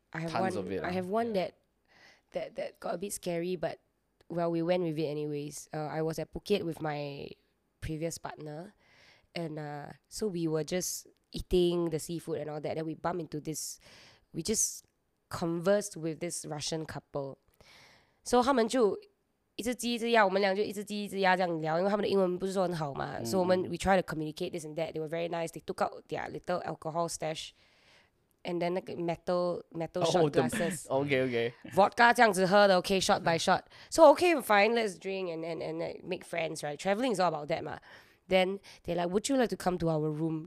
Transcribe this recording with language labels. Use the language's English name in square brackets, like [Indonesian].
[English] I have one that got a bit scary, but well, we went with it anyways. I was at Phuket with my previous partner, and so we were just eating the seafood and all that. Then we bump into this, we just conversed with this Russian couple. [Chinese] So 他们就一只鸡一只鸭，我们俩就一只鸡一只鸭这样聊，因为他们的英文不是说很好嘛。 [English] So we try to communicate this and that. They were very nice. They took out their little alcohol stash. And then like metal shot glasses. Okay, okay. Vodka [Chinese] 这样子喝的, [English] okay, shot by shot. So okay, fine, let's drink and like, make friends, right? Traveling is all about that, ma. Then they're like, would you like to come to our room?